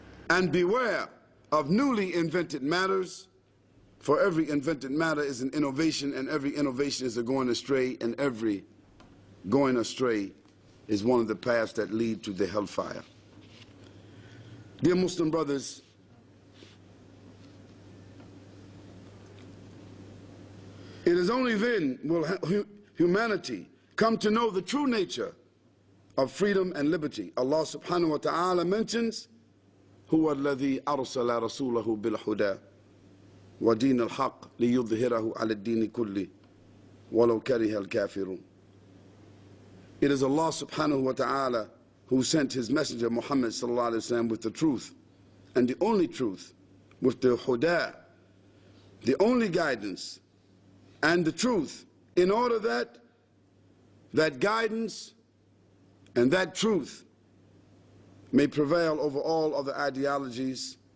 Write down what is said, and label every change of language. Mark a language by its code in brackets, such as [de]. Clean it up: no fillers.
[en] And beware of newly invented matters, for every invented matter is an innovation, and every innovation is a going astray, and every going astray is one of the paths that lead to the hellfire. Dear Muslim brothers, it is only then will humanity come to know the true nature of freedom and liberty. Allah subhanahu wa ta'ala mentions, [ar] هو الذي أرسل رسوله بالهدى ودين الحق ليظهره على الدين كله ولو كره الكافرون. [en] It is Allah subhanahu wa ta'ala who sent His Messenger Muhammad sallallahu alayhi wa sallam with the truth and the only truth, with the huda, the only guidance and the truth, in order that that guidance and that truth may prevail over all other ideologies.